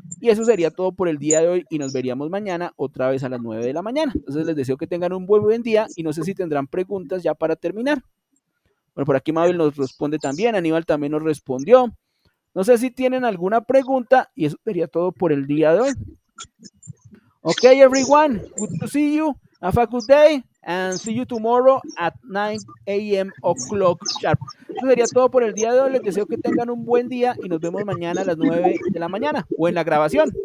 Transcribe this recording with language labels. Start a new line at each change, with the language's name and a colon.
Spanish: Y eso sería todo por el día de hoy y nos veríamos mañana otra vez a las 9 de la mañana. Entonces les deseo que tengan un buen día y no sé si tendrán preguntas ya para terminar. Bueno, por aquí Mabel nos responde también, Aníbal también nos respondió. No sé si tienen alguna pregunta y eso sería todo por el día de hoy.
English: Ok, everyone, good to see you. Have a good day. And see you tomorrow at 9 a.m. o'clock sharp.
Spanish: Eso sería todo por el día de hoy. Les deseo que tengan un buen día y nos vemos mañana a las 9 de la mañana o en la grabación.